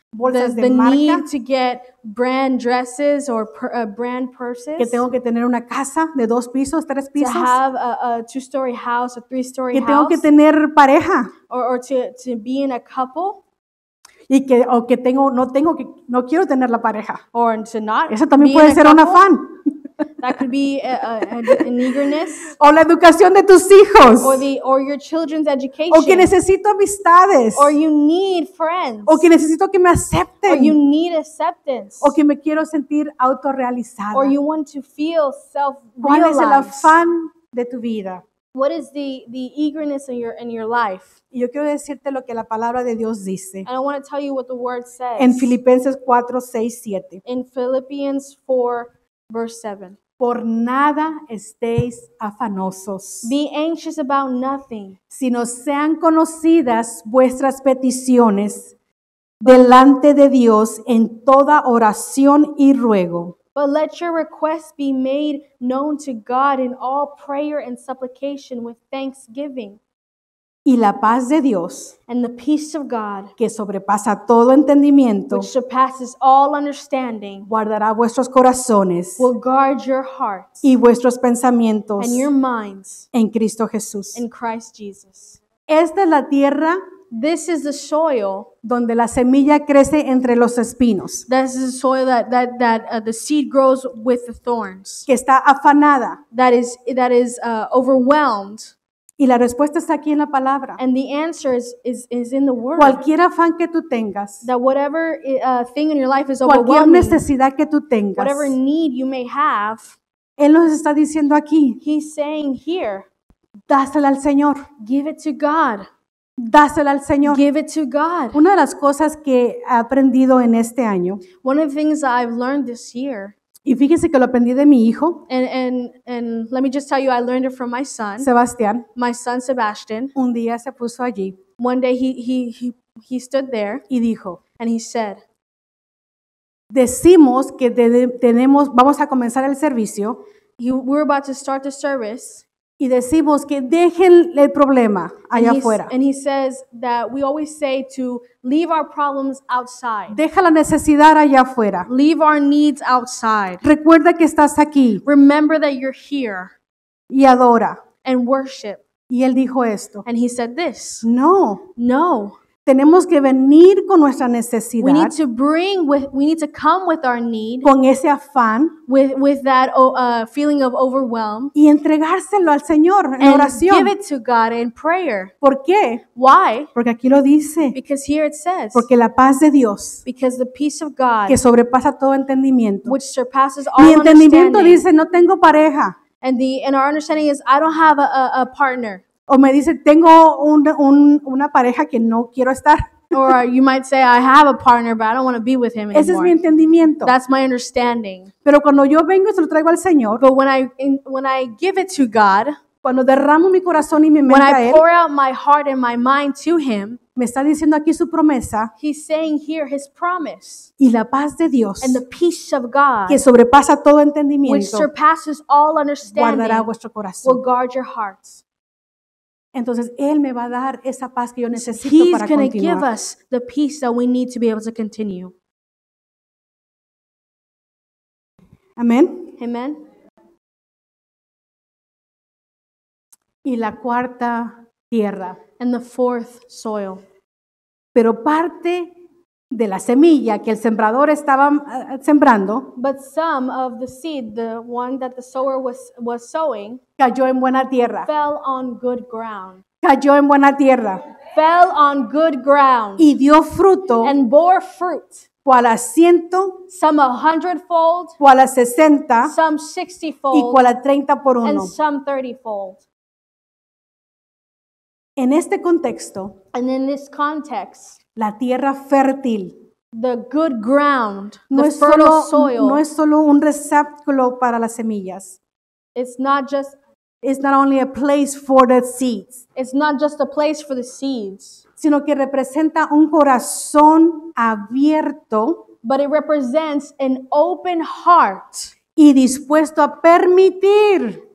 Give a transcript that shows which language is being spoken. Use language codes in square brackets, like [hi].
[en] The need to get brand dresses or brand purses. [es] Que tengo que tener una casa de dos pisos, tres pisos. [en] To have a two-story house, a three-story house. [es] Que tengo que tener pareja. [en] Or to be in a couple. [es] Y que o que tengo no tengo que no quiero tener la pareja. [en] Or to not. [es] Eso también puede ser un afán. [en] That could be an eagerness. [es] O la educación de tus hijos. [en] Or your children's education. [es] O que necesito amistades. [en] Or you need friends. [es] O que necesito que me acepten. [en] Or you need acceptance. [es] O que me quiero sentir autorrealizada. [en] Or you want to feel self-realized. [es] ¿Cuál es el afán de tu vida? [en] What is the eagerness in your life? [es] Y yo quiero decirte lo que la palabra de Dios dice. [en] And I want to tell you what the word says. [es] En Filipenses 4:6-7. [en] In Philippians 4:6-7. [es] Por nada estéis afanosos. [en] Be anxious about nothing. [es] Sino sean conocidas vuestras peticiones delante de Dios en toda oración y ruego. [en] But let your requests be made known to God in all prayer and supplication with thanksgiving. [es] Y la paz de Dios, [en] and the peace of God, [es] que sobrepasa todo entendimiento, [en] which surpasses all understanding, [es] guardará vuestros corazones, [en] will guard your hearts, [es] y vuestros pensamientos, [en] and your minds, [es] en Cristo Jesús. [en] In Christ Jesus. [es] Esta es la tierra, [en] this is the soil, [es] donde la semilla crece entre los espinos. [en] This is the soil that the seed grows with the thorns. [es] Que está afanada. [en] That is overwhelmed. [es] Y la respuesta está aquí en la palabra. [en] And the answer is in the word. [es] Cualquier afán que tú tengas. [en] That whatever thing in your life is [es] cualquier [en] overwhelming. [es] Cualquier necesidad que tú tengas. [en] Whatever need you may have. [es] Él nos está diciendo aquí. [en] He's saying here. [es] Dásela al Señor. [en] Give it to God. [es] Dásela al Señor. [en] Give it to God. [es] Una de las cosas que he aprendido en este año. [en] One of the things that I've learned this year. [es] Y fíjense que lo aprendí de mi hijo. [en] And let me just tell you, I learned it from my son. [es] Sebastián. [en] My son Sebastian. [es] Un día se puso allí. [en] One day he stood there. [es] Y dijo. [en] And he said. [es] Decimos que tenemos, vamos a comenzar el servicio. [en] We're about to start the service. [es] Y decimos que dejen el problema allá afuera. [en] And he says that we always say to leave our problems outside. [es] Deja la necesidad allá afuera. [en] Leave our needs outside. [es] Recuerda que estás aquí. [en] Remember that you're here. [es] Y adora. [en] And worship. [es] Y él dijo esto. [en] And he said this. [es] No. [en] No. [es] Tenemos que venir con nuestra necesidad. [en] We need to bring with, we need to come with our need. [es] Con ese afán. [en] With that feeling of overwhelm. [es] Y entregárselo al Señor en oración. [en] And give it to God in prayer. [es] ¿Por qué? [en] Why? [es] Porque aquí lo dice. [en] Because here it says. [es] Porque la paz de Dios. [en] Because the peace of God. [es] Que sobrepasa todo entendimiento. [en] Which surpasses all understanding. [es] Mi entendimiento dice, no tengo pareja. [en] And our understanding is, I don't have a partner. [es] O me dice, tengo una pareja que no quiero estar. [en] Or you might say, I have a partner, but I don't want to be with him anymore. [es] Ese es mi entendimiento. [en] That's my understanding. [es] Pero cuando yo vengo y se lo traigo al Señor. [en] But when I give it to God. [es] Cuando derramo mi corazón y mi mente a Él. [en] When I pour out my heart and my mind to Him. [es] Me está diciendo aquí su promesa. [en] He's saying here His promise. [es] Y la paz de Dios. [en] And the peace of God. [es] Que sobrepasa todo entendimiento. [en] Which surpasses all understanding. [es] Guardará vuestro corazón. [en] Will guard your hearts. [es] Entonces él me va a dar esa paz que yo necesito [en] He's [es] para continuar. [en] He's going to give us the peace that we need to be able to continue. [es] Amén. [en] Amen. [es] Y la cuarta tierra. [en] And the fourth soil. [es] Pero parte de la semilla que el sembrador estaba sembrando. [en] But some of the seed, the one that the sower was sowing. [es] Cayó en buena tierra. [en] Fell on good ground. [es] Cayó en buena tierra. [en] Fell on good ground. [es] Y dio fruto. [en] And bore fruit. [es] Cual a ciento. [en] Some a hundredfold. [es] Cual a sesenta. [en] Some sixtyfold. [es] Y cual a treinta por uno. [en] And some thirtyfold. [es] En este contexto. [en] And in this context. [es] La tierra fértil. [en] The good ground. [es] No [en] the fertile soil. [es] No es solo un receptáculo para las semillas. [en] It's not just. It's not only a place for the seeds. It's not just a place for the seeds. [es] Sino que representa un corazón abierto. [en] But it represents an open heart. [es] Y dispuesto a permitir.